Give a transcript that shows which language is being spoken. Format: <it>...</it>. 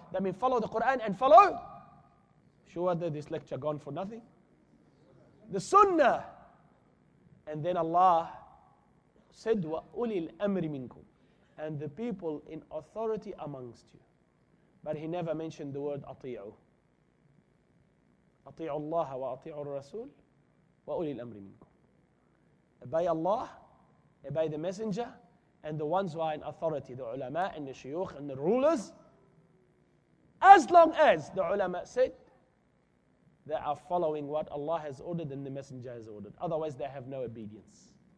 <en>That means follow the Quran and follow. Sure that this lecture gone for nothing? The sunnah. And then Allah said,</en> <ar>وَأُولِي الْأَمْرِ مِنْكُمْ,</ar> <en>and the people in authority amongst you. But he never mentioned the word أطيعوا.</en> <ar>أطيعوا الله وأطيعوا الرسول وأولي الأمر منكم.</ar> <en>Obey Allah, obey the messenger, and the ones who are in authority, the ulama and the shuyukh and the rulers, as long as the ulama said, they are following what Allah has ordered and the messenger has ordered. Otherwise, they have no obedience.</en>